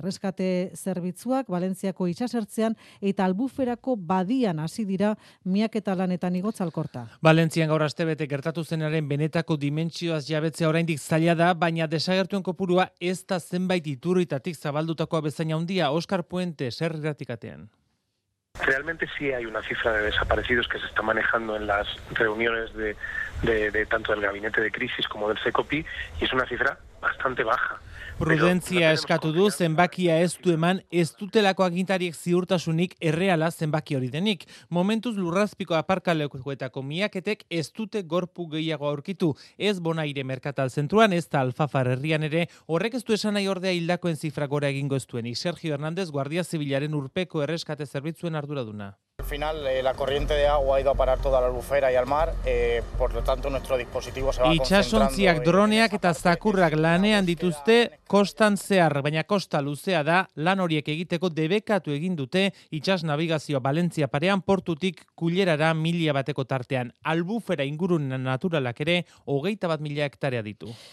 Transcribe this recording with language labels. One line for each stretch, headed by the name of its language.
Basque: Erreskate zerbitzuak Valentziako itsasertzean eta Albuferako badian hasi dira miaketa lanetan igotzalkorta. Valentzian gaur astebete gertatu zenaren benetako dimentsioaz jabetzea oraindik zaila da, baina desagertuen kopurua ez da zenbait iturritatik zabaldutakoa bezain handia. Oskar Puente zerratikatean.
Spanish: Realmente sí hay una cifra de desaparecidos que se está manejando en las reuniones de tanto del gabinete de crisis como del CECOPI y es una cifra bastante baja.
Basque: Prudentzia eskatu du zenbakia ez du eman ez dutelako agintariek ziurtasunik erreala zenbaki hori denik. Momentuz lurrazpiko aparkalekuetako miaketek ez dute gorpu gehiago aurkitu. Ez Bonaire merkatal zentruan ez da Alfafar herrian ere. Horrek ez du esan nahi ordea hildakoen zifra gora egingo ez duenik. Sergio Hernández, Guardia Zibilaren urpeko erreskate zerbitzuen arduraduna.
Spanish: Al final la corriente de agua ha ido a parar toda la albufera y al mar, por lo tanto nuestro dispositivo se va concentrando.
Basque: Itxasontziak, droneak eta zakurrak lanean dituzte kostan zehar, baina kosta luzea da, lan horiek egiteko debekatu egin dute itxas navigazioa Valentzia parean portutik kulerara 1000 bateko tartean. Albufera ingurunen naturalak ere 21.000 hektarea ditu.